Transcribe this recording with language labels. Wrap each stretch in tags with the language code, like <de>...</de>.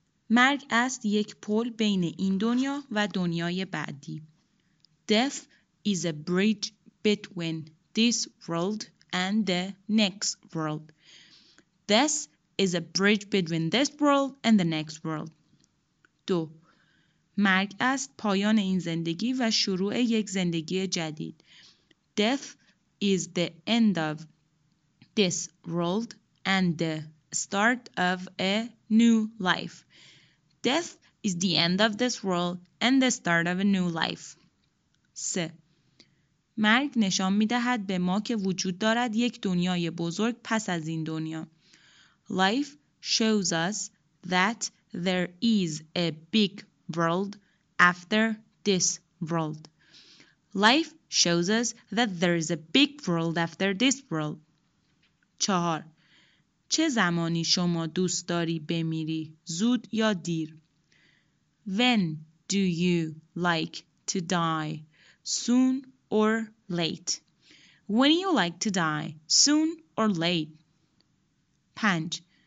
<fa>مرگ است یک پل بین این دنیا و دنیای بعدی.</fa> <en>Death is a bridge between this world and the next world. This is a bridge between this world and the next world. 2.</en> <fa>مرگ است پایان این زندگی و شروع یک زندگی جدید.</fa> <en>Death is the end of this world and the start of a new life. Death is the end of this world and the start of a new life. 3.</en> <fa>مرگ نشان می‌دهد به ما که وجود دارد یک دنیای بزرگ پس از این دنیا.</fa> <en>Life shows us that there is a big world after this world. Life shows us that there is a big world after this world. 4.</en> <fa>چه زمانی شما دوست داری بمیری؟ زود یا دیر؟</fa> <en>When do you like to die? Soon or late? When you like to die? Soon or late? 5.</en>